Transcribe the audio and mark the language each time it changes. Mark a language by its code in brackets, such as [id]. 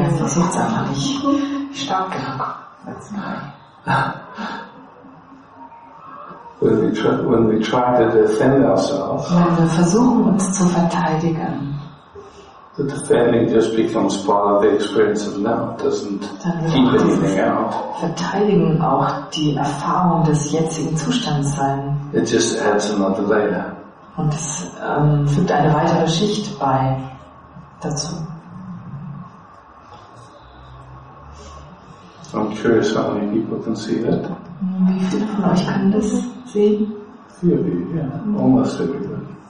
[de] Ich versuch's einfach nicht. Stark genug. [en] Let's go. When we try to defend ourselves. [de] Wenn wir versuchen uns zu verteidigen. [en] The defending just becomes part of the experience of now. It doesn't keep anything out. [de] Verteidigen auch die Erfahrung des jetzigen Zustands sein. [en] It just adds another layer. [de] Und es fügt eine weitere Schicht bei dazu. [en] I'm curious how many people can see that. [de] Wie viele von euch können das sehen? [en] Few of you, yeah. Almost everybody.